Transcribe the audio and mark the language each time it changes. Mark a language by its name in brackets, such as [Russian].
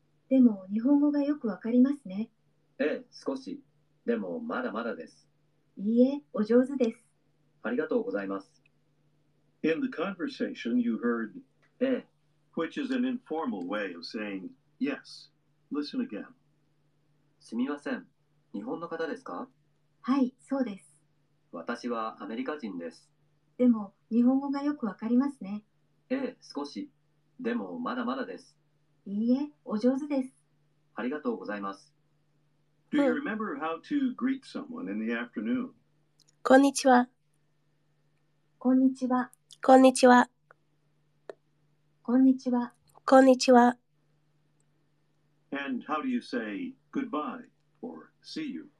[Japanese] でも、日本語がよくわかりますね。ええ、少し。でも、まだまだです。いいえ、お上手です。ありがとうございます。 [English] In the conversation, you heard [Japanese] ええ [English] which is an informal way of saying yes. Listen again. [Japanese] すみません。日本の方ですか？はい、そうです。私はアメリカ人です。でも、日本語がよくわかりますね。ええ、少し。でも、まだまだです。いいえ、お上手です。ありがとうございます。 [English] Do you remember how to greet someone in the afternoon? [Japanese] こんにちは。こんにちは。こんにちは。こんにちは。こんにちは。 [English] And how do you say goodbye or see you?